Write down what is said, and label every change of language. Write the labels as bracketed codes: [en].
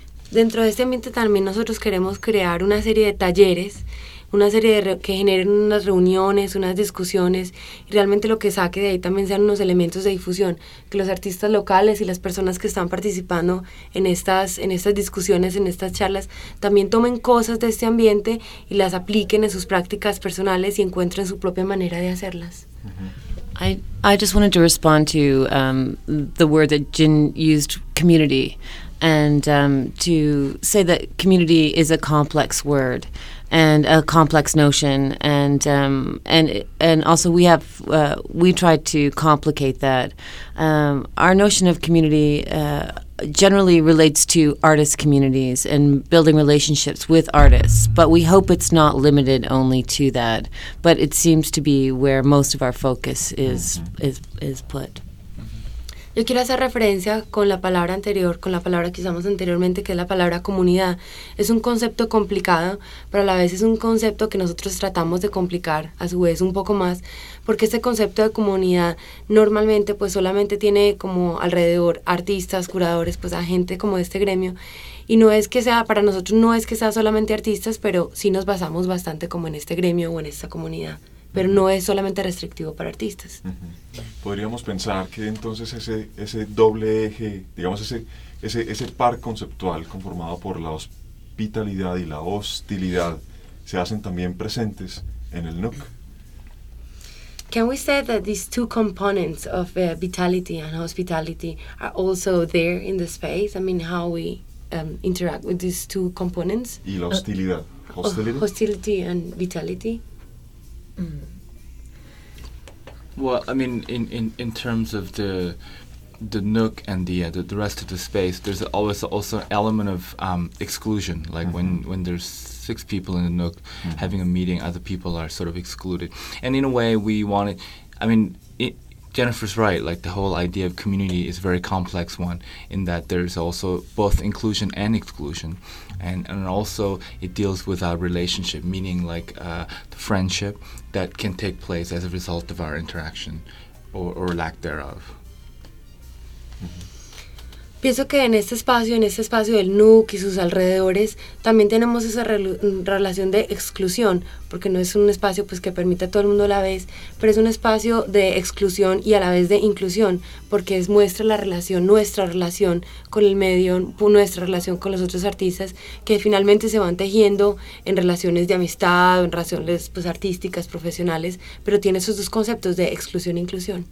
[es] Dentro de este ambiente también nosotros queremos crear una serie de talleres, una serie de que generen unas reuniones, unas discusiones, y realmente lo que saque de ahí también sean unos elementos de difusión, que los artistas locales y las personas que están participando en estas discusiones, en estas charlas, también tomen cosas de este ambiente y las apliquen en sus prácticas personales y encuentren su propia manera de hacerlas. [en] I just wanted to respond to the word that Jin used, community. And to say that community is a complex word and a complex notion, and also we try to complicate that. Our notion of community generally relates to artist communities and building relationships with artists, but we hope it's not limited only to that. But it seems to be where most of our focus is put. [es] Yo quiero hacer referencia con la palabra anterior, con la palabra que usamos anteriormente, que es la palabra comunidad. Es un concepto complicado, pero a la vez es un concepto que nosotros tratamos de complicar, a su vez, un poco más, porque este concepto de comunidad normalmente pues solamente tiene como alrededor artistas, curadores, pues a gente como de este gremio. Y no es que sea, para nosotros no es que sea solamente artistas, pero sí nos basamos bastante como en este gremio o en esta comunidad. Pero no es solamente restrictivo para artistas. Uh-huh. Podríamos pensar que entonces ese doble eje, digamos ese par conceptual conformado por la hospitalidad y la hostilidad, se hacen también presentes en el NUC. [en] Can we say that these two components of vitality and hospitality are also there in the space? I mean, how we interact with these two components? [es] Y la hostilidad. [en] Hostility and vitality. Mm. Well, I mean, in terms of the NUC and the rest of the space, there's always also an element of exclusion. Like when there's six people in the NUC having a meeting, other people are sort of excluded. And in a way, we wanted. I mean, Jennifer's right. Like the whole idea of community is a very complex one, in that there's also both inclusion and exclusion, and also it deals with our relationship, meaning like the friendship that can take place as a result of our interaction or lack thereof. Mm-hmm. [es] Pienso que en este espacio del NUC y sus alrededores, también tenemos esa relación de exclusión, porque no es un espacio pues que permita a todo el mundo a la vez, pero es un espacio de exclusión y a la vez de inclusión, porque es muestra la relación, nuestra relación con el medio, nuestra relación con los otros artistas, que finalmente se van tejiendo en relaciones de amistad, en relaciones pues artísticas, profesionales, pero tiene esos dos conceptos de exclusión e inclusión.